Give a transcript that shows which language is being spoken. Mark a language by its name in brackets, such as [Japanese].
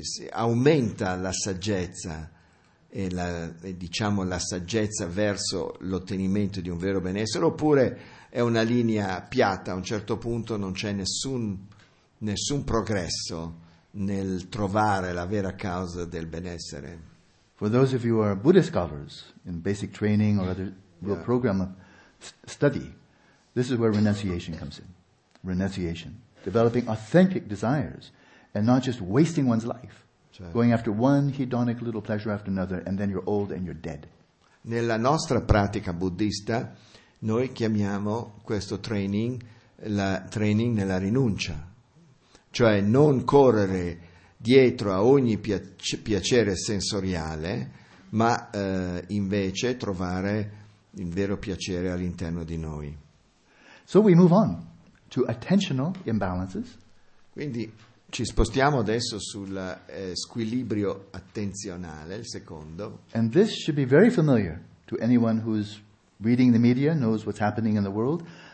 [Italian] aumenta la saggezza la saggezza verso l'ottenimento di un vero benessere, oppure è una linea piatta, a un certo punto non c'è nessun progresso nel trovare la vera causa del benessere. [English] For those of you who are Buddhist scholars in basic training or other real program of study, this is where renunciation comes in. Renunciation. developing authentic desires and not just wasting one's life, certo, going after one hedonic little pleasure after another, and then you're old and you're dead. [Italian] Nella nostra pratica buddista noi chiamiamo questo training la training nella rinuncia, cioè non correre dietro a ogni piacere sensoriale, ma invece trovare il vero piacere all'interno di noi. [English] So we move on to attentional imbalances. [Italian] Quindi ci spostiamo adesso sul squilibrio attenzionale, il secondo. [English] And this should be very familiar to anyone who's reading the media, knows what's happening in the world.